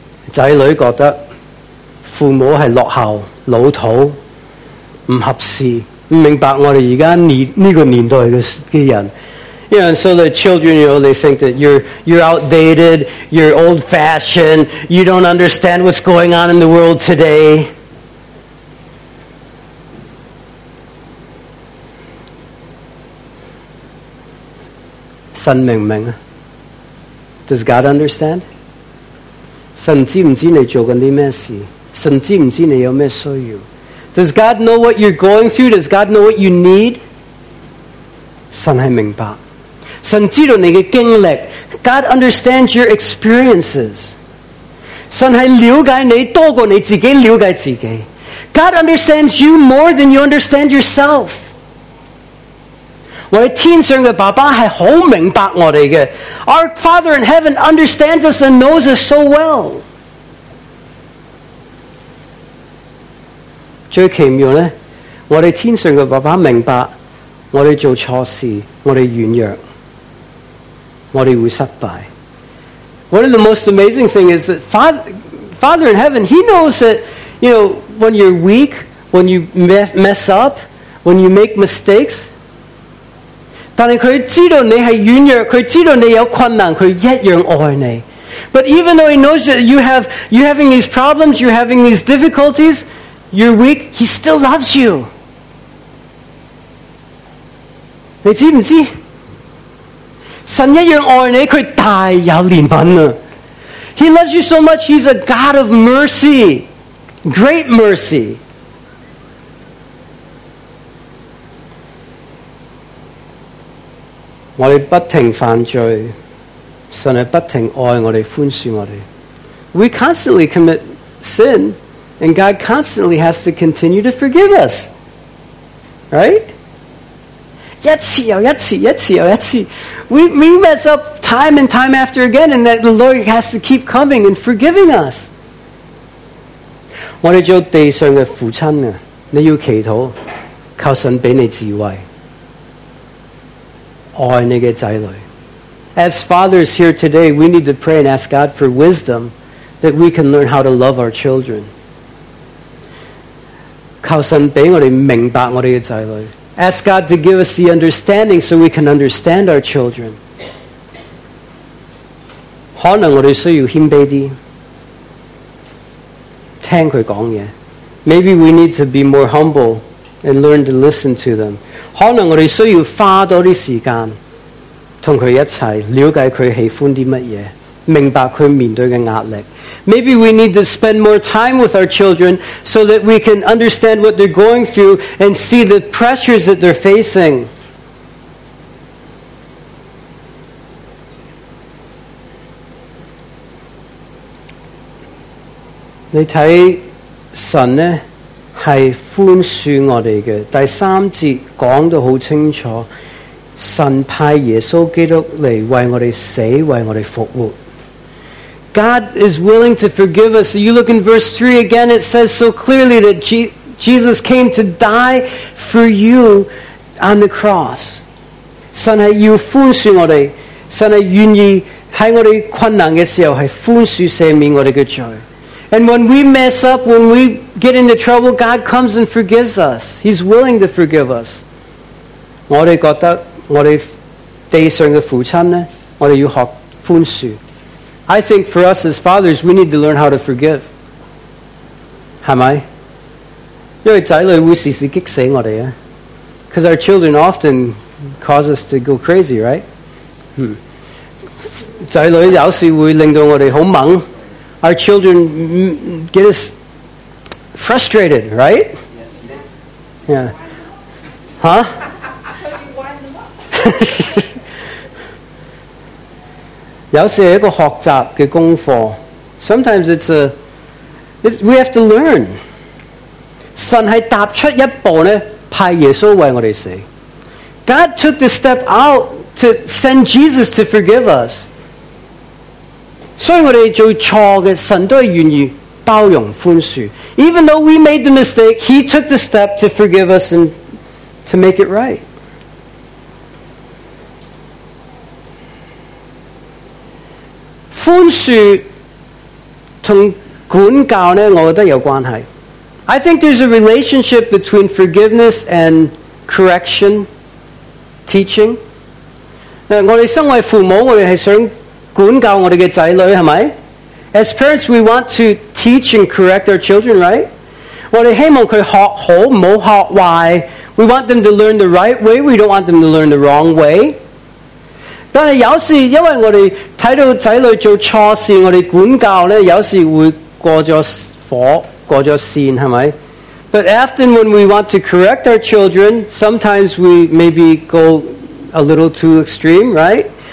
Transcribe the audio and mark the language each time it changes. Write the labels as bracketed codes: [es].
[yue] 仔女觉得父母是落后、老土、不合适、不明白我们现在这个年代的人。 [en] You know, and so the children, you know, they think that you're outdated, you're old-fashioned, you don't understand what's going on in the world today. [yue] 神明明啊? [en] Does God understand? [yue] 神知不知你做的什么事?神知不知你有什么需要? [en] Does God know what you're going through? Does God know what you need? [yue] 神是明白。神知道你的经历。 [en] God understands your experiences. [yue] 神是了解你多过你自己了解自己。 [en] God understands you more than you understand yourself. [yue] 我们天上的爸爸是很明白我们的。 [en] Our Father in Heaven understands us and knows us so well. [yue] 最奇妙呢，我哋天上嘅爸爸明白，我哋做错事，我哋软弱，我哋会失败。 [en] One of the most amazing things is that Father in heaven, he knows that, you know, when you're weak, when you mess up, when you make mistakes, [yue] 但是他知道你是软弱，他知道你有困难，他一样爱你。 [en] But even though he knows that you're having these problems, you're having these difficulties, you're weak, he still loves you. [yue] 你知不知道神一样爱你，他大有怜悯啊。 [en] He loves you so much, he's a God of mercy. Great mercy. [yue] 我们不停犯罪，神是不停爱我们，宽恕我们。 [en] We constantly commit sin, and God constantly has to continue to forgive us. Right? [yue] 一次又一次，一次又一次。 [en] We mess up time and time after again, and that the Lord has to keep coming and forgiving us. [yue] 我们做地上的父亲，你要祈祷，求神给你智慧，爱你的子女。 [en] As fathers here today, we need to pray and ask God for wisdom that we can learn how to love our children. [yue] 求神给我们明白我们的子女。 [en] Ask God to give us the understanding so we can understand our children. [yue] 可能我们需要谦卑一点，听他讲嘢。 [en] Maybe we need to be more humble and learn to listen to them. [yue] 可能我们需要花多啲时间同他一起了解他喜欢啲乜嘢，明白他面对嘅压力。 [en] Maybe we need to spend more time with our children so that we can understand what they're going through and see the pressures that they're facing. [yue] 你睇神呢是宽恕我们的。第三节讲得很清楚，神派耶稣基督来为我们死，为我们复活。 [en] God is willing to forgive us. You look in verse 3 again, it says so clearly that Jesus came to die for you on the cross. [yue] 神是要宽恕我们，神是愿意在我们困难的时候是宽恕赦免我们的罪。 [en] And when we mess up, when we get into trouble, God comes and forgives us. He's willing to forgive us. [yue] 我们觉得我们地上的父亲呢，我们要学宽恕。 [en] I think for us as fathers, we need to learn how to forgive. [yue] 是吗？因为子女会时时激死我们。 [en] Because our children often cause us to go crazy, right? [yue] 子女有时会令到我们很猛。 [en] Our children get us frustrated, right? Yeah. Huh? Sometimes we have to learn. [yue] 神是踏出一步呢，派耶稣为我们死。 [en] God took the step out to send Jesus to forgive us. [yue] 所以我们做错的，神都是愿意包容宽恕。 [en] Even though we made the mistake, he took the step to forgive us and to make it right. [yue] 宽恕同管教呢，我觉得有关系。 [en] I think there's a relationship between forgiveness and correction, teaching. [yue] 我们身为父母，我们是想管教我们的子女，是吗？ [en] As parents, we want to teach and correct our children, right? [yue] 我们希望他学好，不要学坏。 [en] We want them to learn the right way. We don't want them to learn the wrong way. [yue] 但是有时因为我们看到子女做错事，我们管教呢，有时会过了火，过了线，是吗？ [en] But often when we want to correct our children, sometimes we maybe go a little too extreme, right?